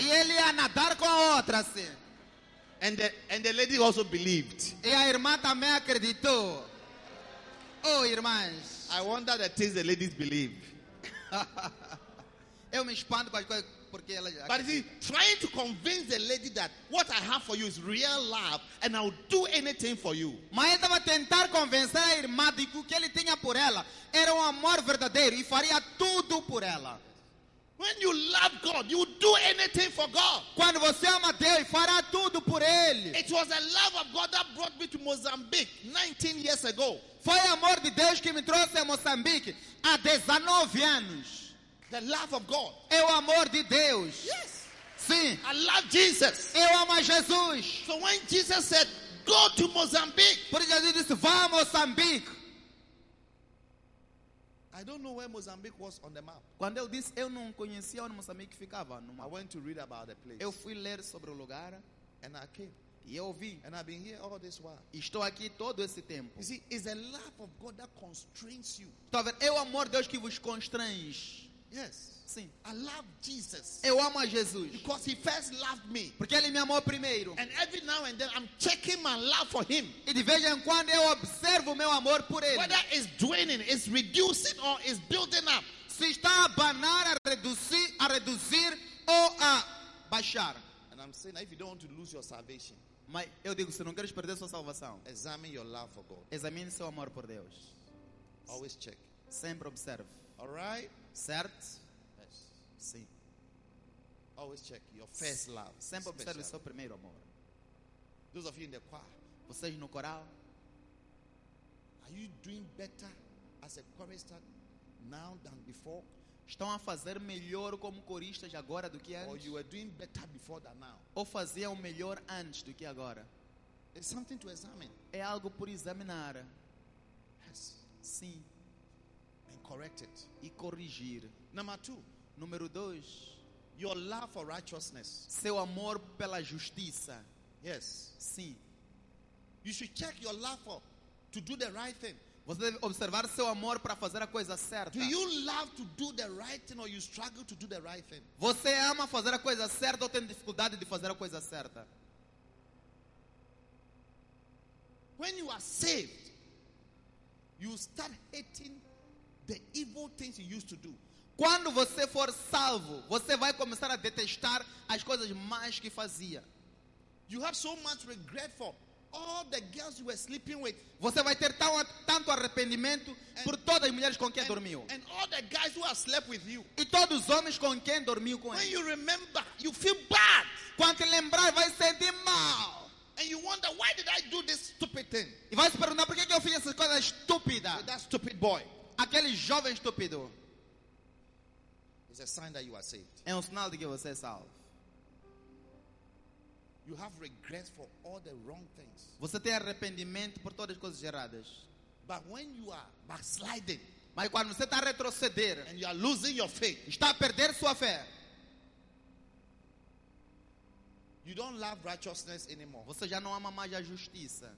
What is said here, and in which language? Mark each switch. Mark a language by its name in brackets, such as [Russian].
[Portuguese] E ele ia nadar com a outra, sim. [English] And the lady also believed. [Portuguese] E a irmã também acreditou. Oh, irmãs. [English] I wonder the things the ladies believe. [Portuguese] Eu me espanto com as coisas porque ela. [English] But is he trying to convince the lady that what I have for you is real love and I'll do anything for you? [Portuguese] Mas estava tentar convencer a irmã de que o que ele tinha por ela era um amor verdadeiro e faria tudo por ela. [English] When you love God, you do anything for God. [Portuguese] Quando você ama Deus, fará tudo por ele. [English] It was the love of God that brought me to Mozambique 19 years ago. [Portuguese] Foi amor de Deus que me trouxe a Moçambique há 19 anos. [English] The love of God. [Portuguese] É o amor de Deus. [English] Yes. [Portuguese] Sim. [English] I love Jesus. [Portuguese] Eu amo Jesus. [English] So when Jesus said, "Go to Mozambique." [Portuguese] Por isso Jesus disse, "Vá a Moçambique." [English] I don't know where Mozambique was on the map. [Portuguese] Quando eu disse, eu não conhecia onde Moçambique ficava no mapa. [English] I went to read about the place. [Portuguese] Eu fui ler sobre o lugar. [English] And I came. [Portuguese] E eu vi. [English] And I've been here all this while. [Portuguese] E estou aqui todo esse tempo. [English] You see, it's the love of God that constrains you. [Portuguese] Está vendo? É o amor de Deus que vos constrange. [English] Yes. [Portuguese] Sim. [English] I love Jesus. [Portuguese] Eu amo a Jesus. [English] Because he first loved me. [Portuguese] Porque ele me amou primeiro. [English] And every now and then I'm checking my love for him. [Portuguese] E de vez em quando eu observo meu amor por ele. [English] Whether it's dwindling, it's reducing or it's building up. [Portuguese] Se está a banar, a reduzir ou a baixar. [English] And I'm saying, if you don't want to lose your salvation. [Portuguese] Mas eu digo, se não queres perder sua salvação. [English] Examine your love for God. [Portuguese] Examine seu amor por Deus. [English] Always check. [Portuguese] Sempre observe. [English] All right? [Portuguese] Certo? [English] Yes. [Portuguese] Sim. [English] Always check your first love. [Portuguese] Sempre observe seu primeiro amor. [English] Those of you in the choir. [Portuguese] Vocês no coral. [English] Are you doing better as a chorister now than before? [Portuguese] Estão a fazer melhor como coristas agora do que antes? [English] Or you are doing better before than now? [Portuguese] Ou faziam melhor antes do que agora? [English] It's something to examine. [Portuguese] É algo por examinar. [English] Yes. [Portuguese] Sim. [English] And correct it. [Portuguese] E corrigir. [English] Number two. [Portuguese] Número dois. [English] Your love for righteousness. [Portuguese] Seu amor pela justiça. [English] Yes. [Portuguese] Sim. [English] You should check your love for to do the right thing. [Portuguese] Você deve observar seu amor para fazer a coisa certa. [English] Do you love to do the right thing or you struggle to do the right thing? [Portuguese] Você ama fazer a coisa certa ou tem dificuldade de fazer a coisa certa? [English] When you are saved, you start hating the evil things you used to do. [Portuguese] Quando você for salvo, você vai começar a detestar as coisas más que fazia. [English] You have so much regret for all the girls you were sleeping with. [Portuguese] Você vai ter tanto arrependimento por todas as mulheres com quem dormiu. [English] And all the guys who have slept with you. [Portuguese] E todos os homens com quem dormiu com [English] ele. When you remember, you feel bad. [Portuguese] Quando lembrar, vai sentir mal. [English] And you wonder, why did I do this stupid thing? [Portuguese] E vai se perguntar por que eu fiz essas coisas estúpidas. [English] With that stupid boy. [Portuguese] Aquele jovem estúpido. [English] It's a sign that you are saved. [Portuguese] É um sinal de que você é salvo. [English] You have regrets for all the wrong things. [Portuguese] Você tem arrependimento por todas as coisas erradas. [English] But when you are backsliding, [Portuguese] mas quando você está retroceder, [English] and you are losing your faith, [Portuguese] está a perder sua fé. [English] You don't love righteousness anymore. [Portuguese] Você já não ama mais a justiça.